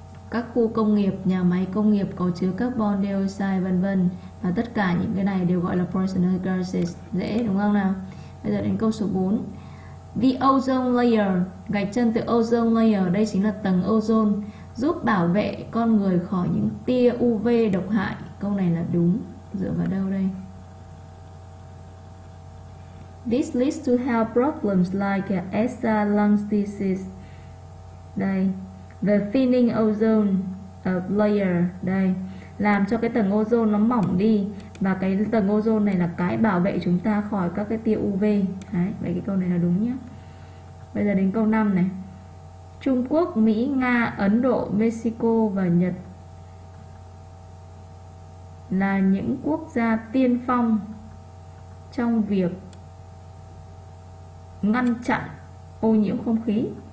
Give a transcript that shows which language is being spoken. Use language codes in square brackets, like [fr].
[vi] Các khu công nghiệp, nhà máy công nghiệp có chứa carbon dioxide vân vân, và tất cả những cái này đều gọi là poisonous gases. Dễ đúng không nào? Bây giờ đến câu số 4. The ozone layer, gạch chân từ ozone layer, đây chính là tầng ozone, giúp bảo vệ con người khỏi những tia UV độc hại. Câu này là đúng, dựa vào đâu đây? [en] This leads to health problems like asthma, lung disease. [vi] Đây, [en] the thinning ozone layer, [vi] đây, làm cho cái tầng ozone nó mỏng đi, và cái tầng ozone này là cái bảo vệ chúng ta khỏi các cái tia UV. Đấy, vậy cái câu này là đúng nhé. Bây giờ đến câu 5 này. Trung Quốc, Mỹ, Nga, Ấn Độ, Mexico và Nhật là những quốc gia tiên phong trong việc ngăn chặn ô nhiễm không khí.